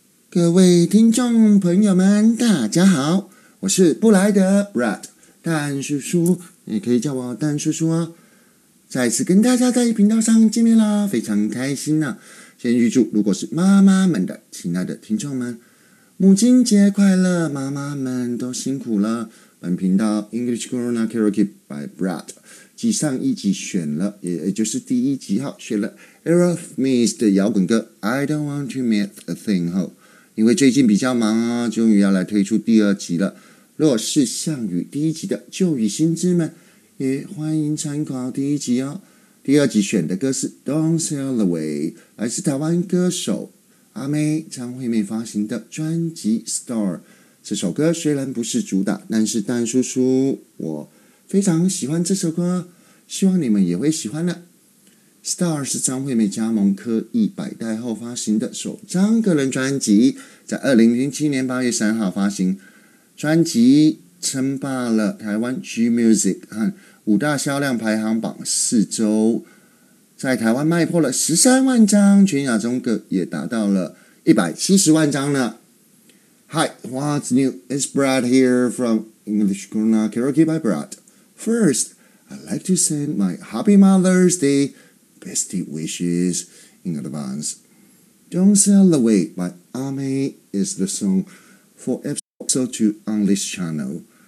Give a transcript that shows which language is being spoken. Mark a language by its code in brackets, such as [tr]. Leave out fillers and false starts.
[zh] 各位听众朋友们，大家好，我是布莱德 Brad 蛋叔叔，也可以叫我蛋叔叔哦。再次跟大家在频道上见面啦，非常开心呢、啊。先预祝，如果是妈妈们的亲爱的听众们，母亲节快乐，妈妈们都辛苦了。本频道 English Corona Karaoke by Brad 继上一集选了，也就是第一集号选了 Aerosmith 的摇滚歌 I Don't Want to Miss a Thing 后。因为最近比较忙啊，终于要来推出第二集了。若是项羽第一集的旧与新之们，也欢迎参考第一集哦。第二集选的歌是 Don't Sail Away， 来自台湾歌手阿妹张惠妹发行的专辑 Star。这首歌虽然不是主打，但是蛋叔叔我非常喜欢这首歌，希望你们也会喜欢呢。 Star 是张惠妹加盟科艺百代后发行的首张个人专辑，在2007年8月3号发行，专辑称霸了台湾 G Music 和五大销量排行榜四周，在台湾卖破了13万张，全亚洲各也达到了170万张呢。 [en] Hi, what's new? It's Brad here from English Corona Karaoke by Brad. First, I'd like to send my happy Mother's DayBest wishes in advance. Don't Sail Away by Ame is the song for episode 2 on this channel.